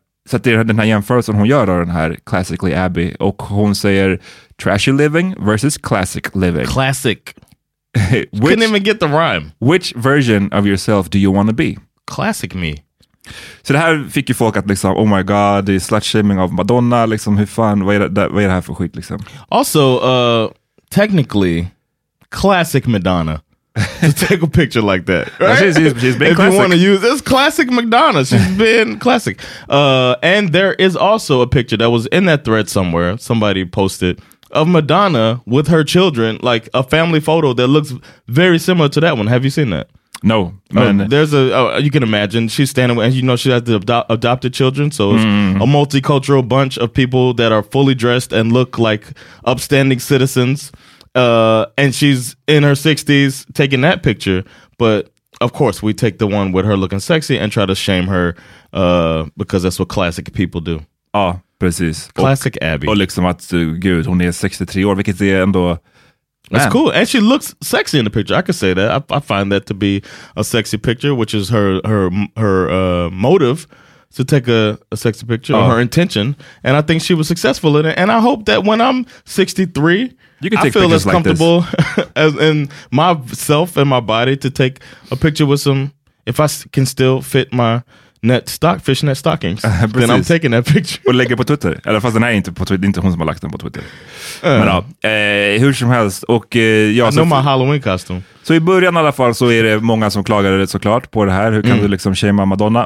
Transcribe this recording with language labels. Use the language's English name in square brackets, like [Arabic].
[Swedish] Så det är den här jämförelsen hon gör av den här Classically Abby, och hon säger [English] trashy living versus classic living. Classic. Which, couldn't even get the rhyme. Which version of yourself do you want to be? Classic me. [Swedish] Så det här fick ju folk att liksom, [English] oh my god, [Swedish] det är slutshaming av Madonna, liksom, hur fan, vad är det här för skit, liksom? [English] Also, technically, classic Madonna to take a picture like that, right? Yeah, she's been if classic. If you want to use, it's classic Madonna, she's been classic. And there is also a picture that was in that thread somewhere, somebody posted, of Madonna with her children, like a family photo that looks very similar to that one. Have you seen that? No, man. There's you can imagine she's standing with, and you know she has the adopted children, so it's a multicultural bunch of people that are fully dressed and look like upstanding citizens, and she's in her 60s taking that picture. But of course we take the one with her looking sexy and try to shame her because that's what classic people do. [Swedish] Ah, precis. [English] Classic Abby. [Swedish] Och liksom att gud, hon är 63 år, vilket är ändå. [English] That's cool. And she looks sexy in the picture. I could say that. I find that to be a sexy picture, which is her motive to take a sexy picture, or her intention. And I think she was successful in it. And I hope that when I'm 63, you can take, I feel as comfortable like as in myself and my body to take a picture with some, if I can still fit my fishnet stockings, then I'm taking that picture. [Swedish] Och lägger på Twitter. Eller fast den här är inte på Twitter, inte hon som har lagt den på Twitter. Men ja, hur som helst. Och, ja, [English] I know my Halloween costume. [Swedish] Så i början i alla fall så är det många som klagade rätt såklart på det här. Hur kan du liksom shama Madonna?